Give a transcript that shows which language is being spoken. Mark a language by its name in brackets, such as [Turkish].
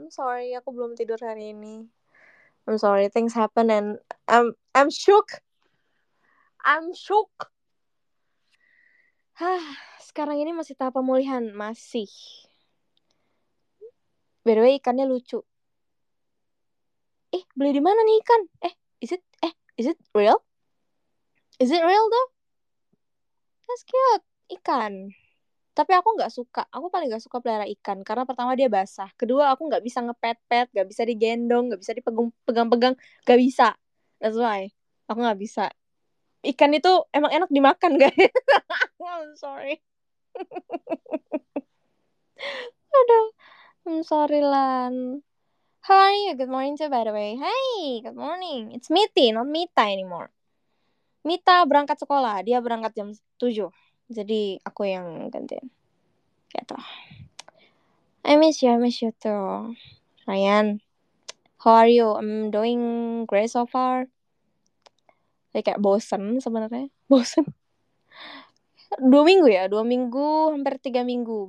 [English] Sorry, [Indonesian] aku belum tidur hari ini. [English] I'm sorry, things happen and I'm shook. I'm shook. [Indonesian] Hah, sekarang ini masih tahap pemulihan, masih. [English] By the way, [Indonesian] ikannya lucu. Eh, beli di mana nih ikan? [English] Is it real? Is it real though? That's cute, ikan. [Indonesian] Tapi aku nggak suka, aku paling nggak suka pelihara ikan karena pertama dia basah, kedua aku nggak bisa ngepet-pet, nggak bisa digendong, nggak bisa dipegang-pegang, nggak bisa. [English] That's why [Indonesian] aku nggak bisa. Ikan itu emang enak dimakan guys. [English] I'm sorry. [Indonesian] Aduh, [English] I'm sorry Lan. How are you? Good morning too, by the way. Hey, good morning. It's Mitty, not Mita anymore. [Indonesian] Mita berangkat sekolah, dia berangkat jam 7. Jadi aku yang gantiin. Gitu. [English] I miss you too. Ryan, how are you? I'm doing great so far. [Indonesian] Jadi kayak bosen sebenarnya, bosen. 2 minggu ya, 2 minggu, hampir 3 minggu.